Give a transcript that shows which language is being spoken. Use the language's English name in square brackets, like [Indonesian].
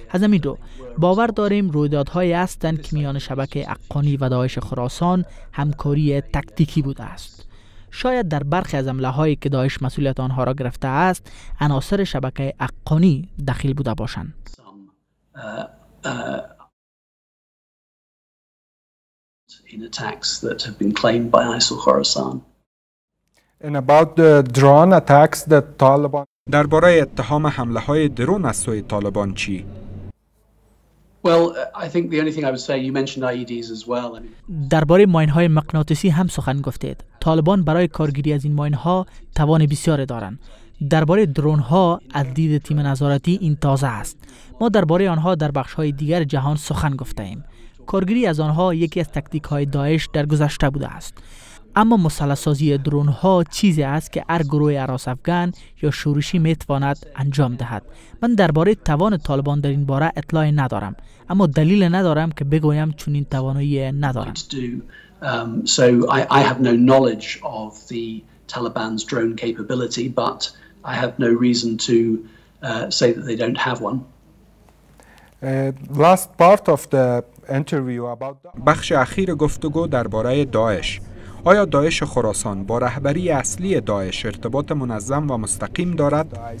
[Persian] از همین رو باور داریم رویدادهایی هستند که میان شبکه عقانی و داعش خراسان همکاری تاکتیکی بوده است. شاید در برخی از حمله هایی که داعش مسئولیت آنها را گرفته است عناصر شبکه عقانی دخیل بوده باشند. [English] In attacks that have been claimed by ISIL Khorasan. And about the drone attacks that Taliban [Persian] درباره اتهام حمله های درون از سوی طالبان چی؟ [English] Well, I think the only thing I would say, you mentioned IEDs as well. I mean, [Persian] درباره ماین های مغناطیسی هم سخن گفتید. طالبان برای کارگیری از این ماین ها توان بسیاری دارند. درباره درون ها از دید تیم نظارتی این تازه است. ما درباره آنها در بخش های دیگر جهان سخن گفتیم. کارگیری از آنها یکی از تاکتیک های داعش در گذشته بوده است. اما مسلح سازی درون ها چیزی است که هر گروه اراس افغان یا شورشی می تواند انجام دهد. من درباره توان طالبان در این باره اطلاعی ندارم، اما دلیل ندارم که بگویم چنین توانایی ندارم. [English] So I have no knowledge of the Taliban's drone capability, but I have no reason to say that they don't have one. Last part of the interview about [Persian] بخش اخیر گفتگو درباره داعش. آیا داعش خراسان با رهبری اصلی داعش ارتباط منظم و مستقیم دارد؟